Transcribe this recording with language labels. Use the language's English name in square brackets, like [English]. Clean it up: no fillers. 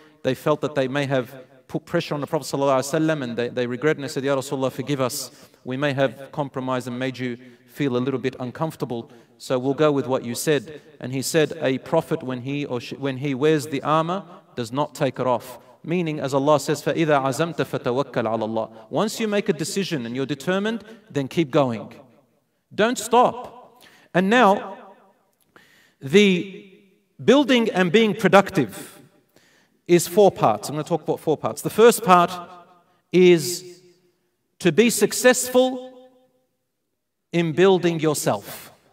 [English] they felt that they may have put pressure on the Prophet sallallahu alaihi wasallam, and they regretted and said, "Ya Rasulullah, forgive us. We may have compromised and made you feel a little bit uncomfortable. So we'll go with what you said." And he said, "A prophet, when he wears the armor, does not take it off." Meaning, as Allah says, [Arabic] "فَإِذَا عَزَمْتَ فَتَوَكَّلْ عَلَى اللَّهِ." [English] Once you make a decision and you're determined, then keep going. Don't stop. And now, the building and being productive is four parts. I'm going to talk about four parts. The first part is to be successful in building yourself.